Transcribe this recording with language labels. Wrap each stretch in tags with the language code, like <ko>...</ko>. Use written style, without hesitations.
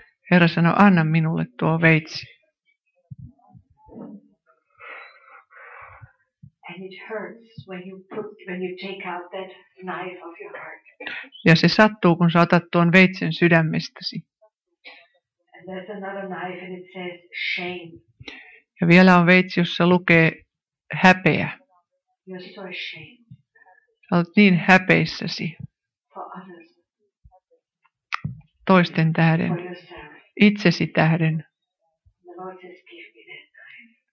<fi>Herra sanoo, anna minulle tuo veitsi.</fi> <en>And it hurts when you take out that knife of your heart.</en> <fi>Ja se sattuu, kun sä otat tuon veitsen sydämestäsi.</fi> <en>And there's another knife and it says shame.</en> <fi>Ja vielä on veitsi, jossa lukee häpeä.</fi> <en>You're so ashamed.</en> <fi>Sä olet niin häpeissäsi.</fi> <en>For others.</en> <fi>Toisten tähden.</fi> <en>For yourself.</en> <fi>Itsesi tähden.</fi> <en>The Lord says, give me that knife.</en>